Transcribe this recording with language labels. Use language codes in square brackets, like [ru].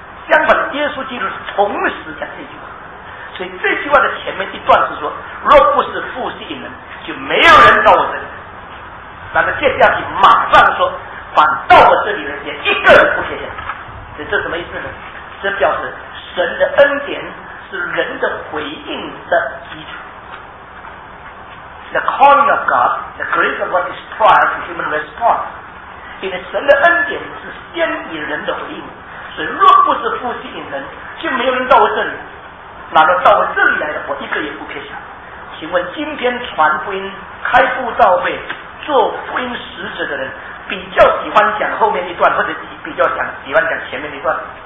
[zh] 相反，耶稣基督是同时讲这句话。所以这句话的前面一段是说，若不是父吸引人，就没有人到我这里。那么接下去马上说，反到我这里人也一个人不缺席。所以这什么意思呢？这表示神的恩典是人的回应的基础。 [en] The calling of God, the grace of God is prior to human response. [zh] 因为神的恩典是先以人的回应，所以若不是父吸引人，就没有人到我这里。哪个到我这里来的，我一个也不撇下。请问今天传福音开布道会做福音使者的人，比较喜欢讲后面一段，或者比较喜欢讲前面一段？